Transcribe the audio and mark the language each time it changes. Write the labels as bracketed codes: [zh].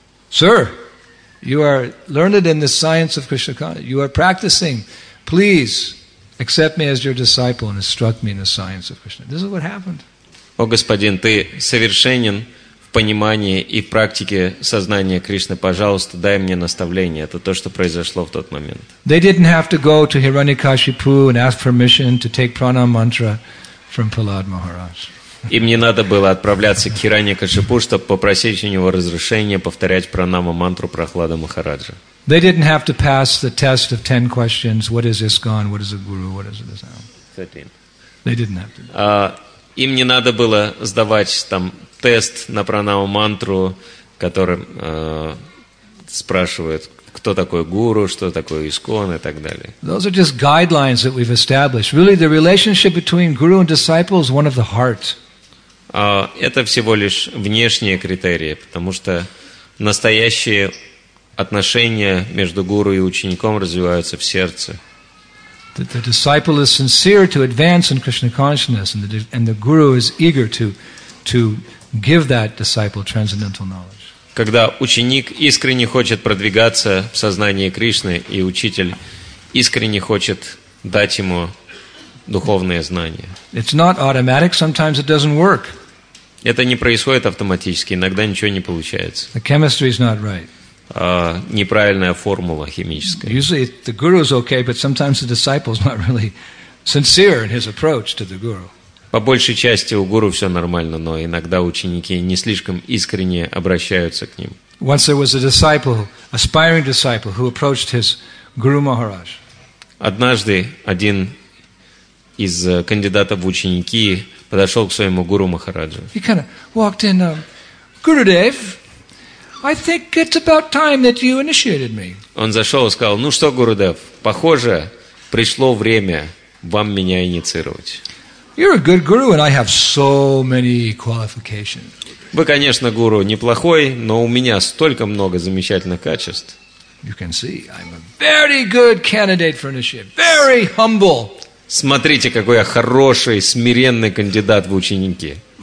[en] Sir, you are learned in the science of Krishna consciousness. You are practicing. Please accept me as your disciple and instruct me in the science of Krishna. This is what happened. [ru] О, господин, ты совершенен в понимании и в практике сознания Кришны. Пожалуйста, дай мне наставление. Это то, что произошло в тот момент. [en] They didn't have to go to Hiranyakashipu and ask permission to take prana mantra from Prahlad Maharaj. [ru] Им не надо было отправляться к Хираньякашипу, чтобы попросить у него разрешения повторять пранама-мантру Прохлада Махараджа. [en] They didn't have to pass the test of 10 questions: what is ISKCON, what is a guru, what is a disciple. They didn't have to. [ru] Им не надо было сдавать там тест на пранама-мантру, которым спрашивают, кто такой гуру, что такое ИСКОН и так далее. [en] Those are just guidelines that we've established. Really, the relationship between guru and disciple is one of the heart. [ru] Это всего лишь внешние критерии, потому что настоящие отношения между гуру и учеником развиваются в сердце. [en] The disciple is sincere to advance in Krishna consciousness, and the guru is eager to give that disciple transcendental knowledge. [ru] когда ученик искренне хочет продвигаться в сознании Кришны, и учитель искренне хочет дать ему духовные знания. [en] It's not automatic, sometimes it doesn't work. [ru] Это не происходит автоматически, иногда ничего не получается. [en] The chemistry is not right. [ru] Неправильная формула химическая. [en] Usually the guru is okay, but sometimes the disciple is not really sincere in his approach to the guru. [ru] По большей части у гуру все нормально, но иногда ученики не слишком искренне обращаются к ним. [en] Once there was a disciple, aspiring disciple, who approached his guru Maharaj. [ru] Однажды один из кандидатов в ученики подошел к своему гуру Махараджу. [en] He kind of walked in, Gurudev. I think it's about time that you initiated me. [ru] Он зашел и сказал: "Ну что, Гурудев, похоже, пришло время вам меня инициировать." [en] You're a good guru, and I have so many qualifications. [ru] Вы, конечно, гуру неплохой, но у меня столько много замечательных качеств. [en] You can see I'm a very good candidate for initiation. Very humble. [ru] Смотрите, какой я хороший, смиренный кандидат в ученики.